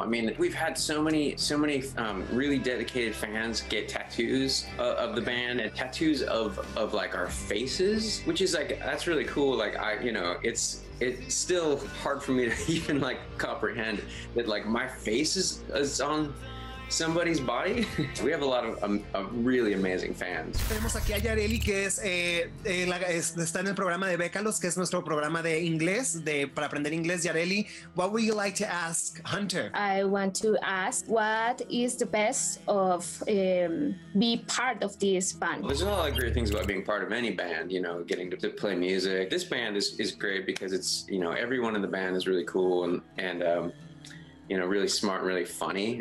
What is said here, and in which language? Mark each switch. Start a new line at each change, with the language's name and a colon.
English: I mean, we've had so many really dedicated fans get tattoos of the band, and tattoos of like our faces, which is like, that's really cool. Like, I, you know, it's still hard for me to even like comprehend that like my face is on somebody's body. We have a lot of really amazing fans.
Spanish: Tenemos aquí a Yareli, que es está en el programa de Bécalos, que es nuestro programa de inglés, para aprender inglés.
English: Yareli, what would you like to ask Hunter? I want to ask, what is the best of be part of this band? Well, there's a lot of great things about being part of any band, you know, getting to play music. This band is great because it's, you know, everyone in the band is really cool and you know, really smart, really funny.